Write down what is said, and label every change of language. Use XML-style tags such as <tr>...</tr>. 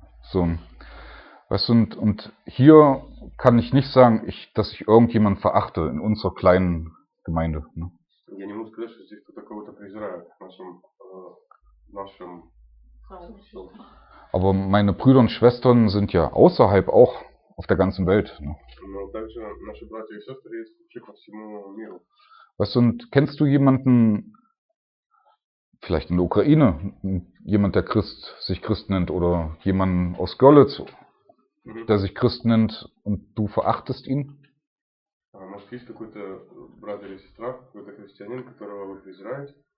<de>So. Weißt du, und hier kann ich nicht sagen, dass ich irgendjemanden verachte in unserer kleinen Gemeinde. Ne?</de> <ru>Я не могу сказать, что здесь кто-то кого-то презирает в нашем, нашем...</ru> <de>Aber meine Brüder und Schwestern sind ja außerhalb auch auf der ganzen Welt. Ne?</de> <ru>Но также наши братья и сестры есть вообще по всему миру.</ru> <de>Weißt du, und kennst du jemanden, vielleicht in der Ukraine, jemand, der sich Christ nennt, oder jemanden aus Görlitz, der sich Christ nennt und du verachtest ihn?</de> <ru>Может, есть какой-то брат или сестра, какой-то христианин, которого вы презираете?</ru>